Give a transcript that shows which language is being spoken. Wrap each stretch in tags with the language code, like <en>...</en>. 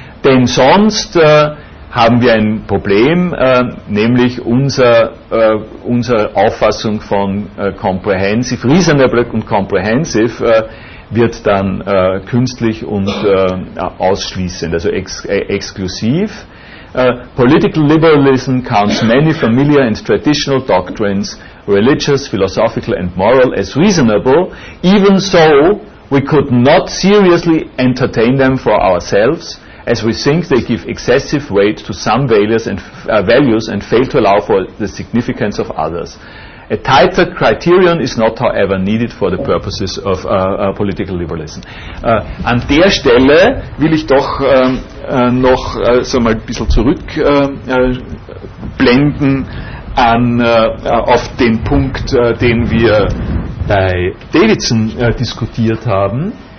<de>Denn sonst haben wir ein Problem, nämlich unsere Auffassung von comprehensive, reasonable und comprehensive wird dann künstlich und ausschließend, also exklusiv.</de> <en>Political liberalism counts many familiar and traditional doctrines, religious, philosophical and moral as reasonable. Even so, we could not seriously entertain them for ourselves, as we think they give excessive weight to some values and fail to allow for the significance of others. A tighter criterion is not, however, needed for the purposes of political liberalism.</en> <de>An der Stelle will ich doch noch so mal ein bisschen zurückblenden auf den Punkt, den wir bei Davidson diskutiert haben.</de>